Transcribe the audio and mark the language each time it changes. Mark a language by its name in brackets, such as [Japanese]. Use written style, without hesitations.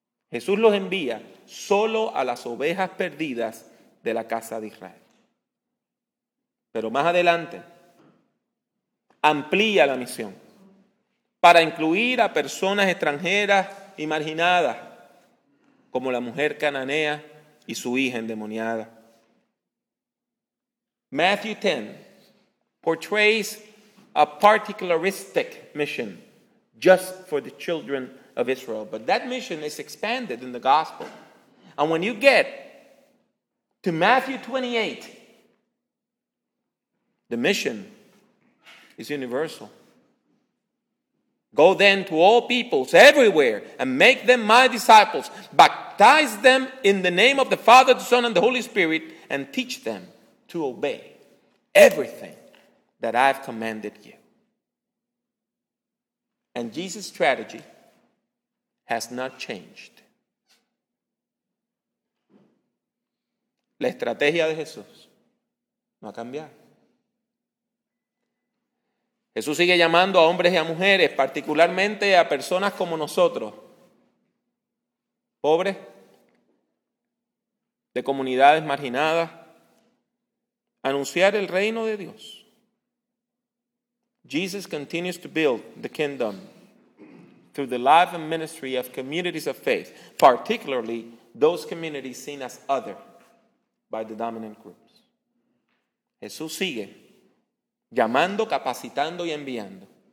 [Spanish] Jesús los envía solo a las ovejas perdidas de la casa de Israel. Pero más adelante, amplía la misión para incluir a personas extranjeras y marginadas, como la mujer cananea y su hija endemoniada. [English] Matthew 10 portrays a particularistic mission just for the children of Israel. But that mission is expanded in the gospel. And when you get to Matthew 28, the mission is universal. Go then to all peoples everywhere and make them my disciples. Baptize them in the name of the Father, the Son, and the Holy Spirit, and teach them to obey everything that I've commanded you. And Jesus' strategy has not changed. [Spanish] La estrategia de Jesús no ha cambiado. Jesús sigue llamando a hombres y a mujeres, particularmente a personas como nosotros, pobres, de comunidades marginadas, anunciar el reino de Dios. [English] Jesus continues to build the kingdom through the life and ministry of communities of faith, particularly those communities seen as other by the dominant groups. [Spanish] Jesús sigue llamando, capacitando y enviando.